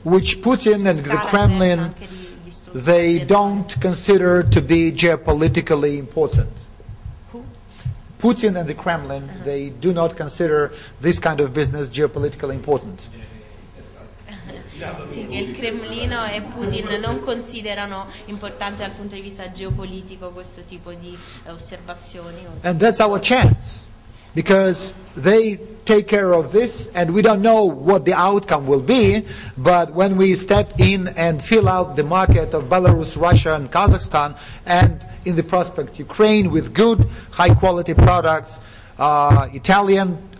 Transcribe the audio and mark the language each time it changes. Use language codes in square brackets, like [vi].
[en] Which Putin and the Kremlin, they don't consider to be geopolitically important. Who? Putin and the Kremlin, uh-huh. They do not consider this kind of business geopolitically important. [it] Sì, che il Cremlino e Putin non considerano importante dal punto di vista geopolitico questo tipo di osservazioni. [en] And that's our chance, because they take care of this and we don't know what the outcome will be, but when we step in and fill out the market of Belarus, Russia and Kazakhstan and in the prospect Ukraine with good high quality products, Italian